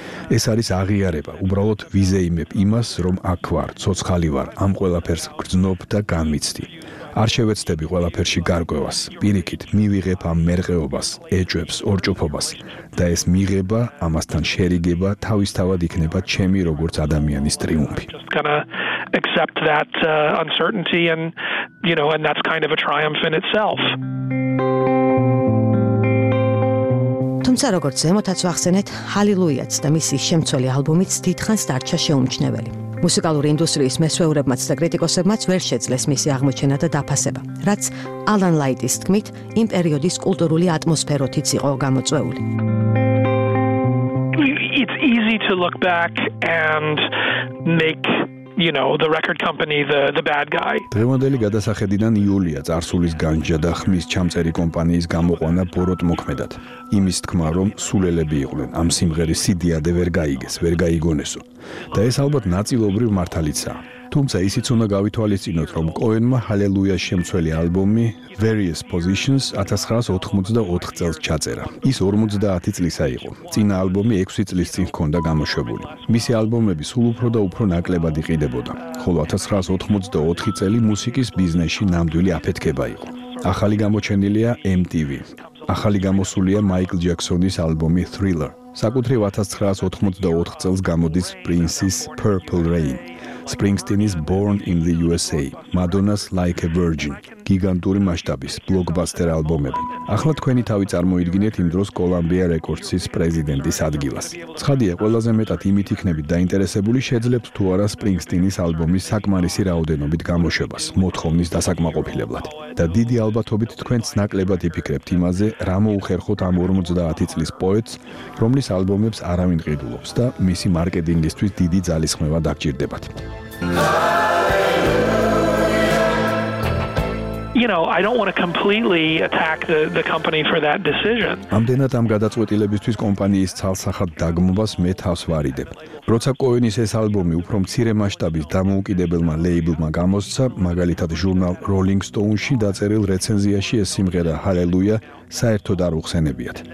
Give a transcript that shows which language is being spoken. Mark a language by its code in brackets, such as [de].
[ka] ეს არის აღიარება, უბრალოდ ვიზეიმებ იმას, რომ აქ ვარ, ცოცხალი ვარ, ამ ყველაფერს გრძნობ და განმიცდი. არ შევეცდები ყველაფერში გარკვევას, პირიქით მივიღებ ამ მერყეობას, ეჭვებს, ორჭოფობას და ეს მიღება, ამასთან შერიგება, თავისთავად იქნება ჩემი როგორც ადამიანის ტრიუმფი. [en] Accept that uncertainty and you know and that's kind of a triumph in itself. [ka] თუმცა როგორც ზემოთაც ვახსენეთ, ჰალილუიაც და მისი შემცველი ალბომიც დიდხანს დარჩა შეუმჩნეველი. მუსიკალური ინდუსტრიის მესვეურებმაც და კრიტიკოსებმაც ვერ შეძლეს მისი აღმოჩენა და დაფასება, რაც ალან ლაიტის თქმით, იმ პერიოდის კულტურული ატმოსფეროთიც იყო გამოწვეული. [en] It's easy to look back and make you know the record company the bad guy. [ka] დღევანდელი გადასახედიდან იულია წარსულის განჯა და ხმის ჩამწერი კომპანიის გამოყვანა ბოროტ მოქმედად. იმის თქმა, რომ სულელები იყვნენ, ამ სიმღერის სიდიადე ვერ გაიგეს, ვერ გაიგონესო. და ეს ალბათ ნაწილობრივ მართალიცაა. თუმცა ისიც უნდა გავითვალისწინოთ, რომ კოენმა ჰალელუიას შემცველი ალბომი Various Positions 1984 წელს ჩაწერა. ის 50 წლისა იყო. წინა ალბომი 6 წლის წინ ჰქონდა გამოშვებული. მისი ალბომები სულ უფრო და უფრო ნაკლებად იყიდებოდა. ხოლო 1984 წელი მუსიკის ბიზნესში ნამდვილი აფეთქება იყო. ახალი გამოჩენილია MTV. ახალი გამოსულია მაიკლ ჯექსონის ალბომი Thriller. საკუთრივ 1984 წელს გამოდის პრინსის Purple Rain. Springsteen's Born in the USA, Madonna's Like a Virgin, გიგანტური მასშტაბის ბლოკბასტერ ალბომები. ახლა თქვენი თავი წარმოიდგინეთ იმ დროს Columbia Records-ის პრეზიდენტის ადგილას. ცხადია, ყველაზე მეტად იმით იქნებით დაინტერესებული, შეძლებთ თუ არა Springsteen's ალბომის საკმარისი რაოდენობით გამოშვებას, მოთხოვნის დასაკმაყოფილებლად. და დიდი ალბათობით თქვენც ნაკლებად იფიქრებთ იმაზე, რა მოუხერხოთ ამ 50 წლის პოეტს, რომლის ალბომებს არავინ ყიდულობს და მისი მარკეტინგისთვის დიდი ძალისხმევა დაგჭირდებათ. [en] You know, I don't want to completely attack the company for that decision. [ka] ამდენად ამ გადაწყვეტილებისთვის კომპანიის ცალსახად დაგმობას მე თავს ვარიდებ. როცა კოენის ეს ალბომი უფრო მცირე მასშტაბის დამოუკიდებელმა ლეიბლმა გამოსცა, მაგალითად ჟურნალ Rolling Stone-ში დაწერილ რეცენზიაში ეს სიმღერა Hallelujah საერთოდ არ უხსენებიათ.